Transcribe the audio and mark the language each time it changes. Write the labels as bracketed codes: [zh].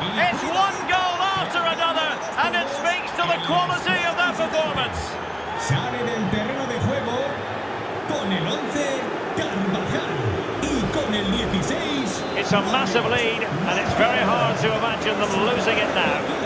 [en] It's one goal after another, and it speaks to the quality of that performance. [es] Sale del terreno de juego con el 11, Carvajal. Y con el 16. [en] It's a massive lead, and it's very hard to imagine them losing it now.